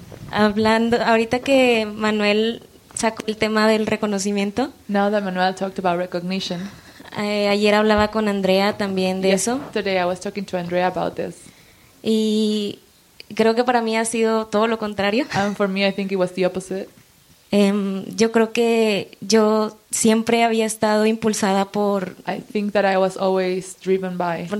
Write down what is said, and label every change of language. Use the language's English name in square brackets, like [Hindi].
[Spanish] Hablando ahorita que Manuel sacó el tema del reconocimiento. [English] Now that Manuel talked about recognition. [Spanish] Ayer hablaba con Andrea también de eso. [English] Yesterday I was talking to Andrea about this. [Spanish] Y creo que para mí ha sido todo lo contrario. [English] And for me I think it was the opposite. [Spanish] Yo creo que yo siempre había estado impulsada por [English] I think that I was always driven by